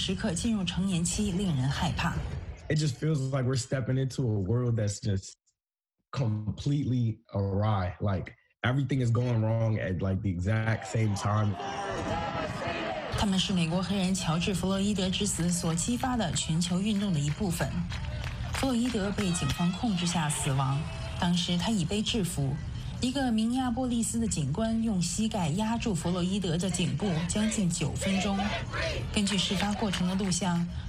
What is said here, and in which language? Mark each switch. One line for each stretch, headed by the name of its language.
Chinese: 穆罕默迪和莱德上个月从华盛顿郊区的高中毕业。莱德说，在这个时刻进入成年期令人害怕。
English: It just feels like we're stepping into a world that's just completely awry. Like everything is going wrong at like the exact same time.
Chinese: 他们是美国黑人乔治·弗洛伊德之死所激发的全球运动的一部分。弗洛伊德被警方控制下死亡，当时他已被制服。一个明尼阿波利斯的警官用膝盖压住弗洛伊德的颈部将近9分钟。根据事发过程的录像。